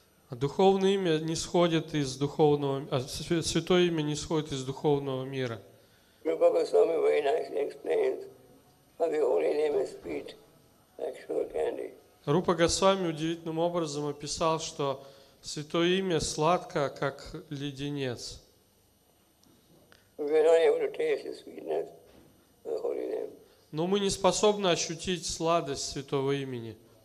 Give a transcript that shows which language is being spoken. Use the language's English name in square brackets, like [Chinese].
[Russian] Духовное имя не сходит из духовного, Святое имя не сходит из духовного мира. [English] Rupa Goswami very nicely explains how the holy name is sweet, like sugar candy. [Russian] Rupa Goswami удивительным образом описал, что Святое имя сладко, как леденец. [English] We are not able to taste the sweetness of the holy name. [Russian] Но мы не способны ощутить сладость Святого имени.